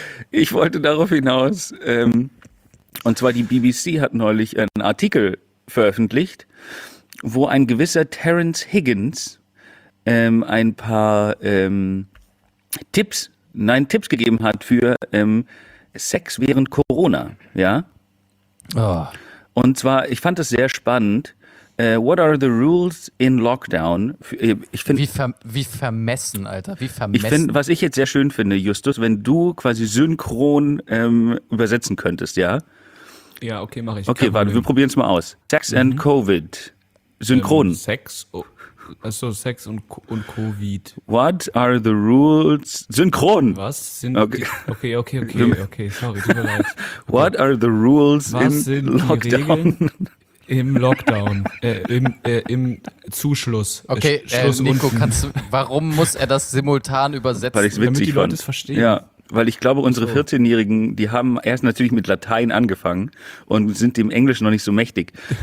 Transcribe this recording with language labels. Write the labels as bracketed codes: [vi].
[de] Ich wollte darauf hinaus, und zwar die BBC hat neulich einen Artikel veröffentlicht, wo ein gewisser Terence Higgins ein paar Tipps gegeben hat für Sex während Corona, ja. Oh. Und zwar, ich fand das sehr spannend. [en] What are the rules in lockdown? [de] Ich find, wie vermessen, Alter. Wie vermessen. Ich finde, was ich jetzt sehr schön finde, Justus, wenn du quasi synchron übersetzen könntest, ja. Ja, okay, mache ich. Okay, warte, wir probieren es mal aus. [en] Sex and Covid. [de] Synchron. Sex. Oh. Achso, Sex und Covid. [en] What are the rules? [de] Synchron. Was? Okay. Sorry, tut mir leid. [en] What are the rules in Lockdown? [de] Was sind die Regeln im Lockdown? Im Zuschluss. Okay, Nico, warum muss er das simultan übersetzen? Weil ich es witzig fand. Damit die Leute es verstehen. Ja. Weil ich glaube, unsere 14-Jährigen, die haben erst natürlich mit Latein angefangen und sind dem Englisch noch nicht so mächtig.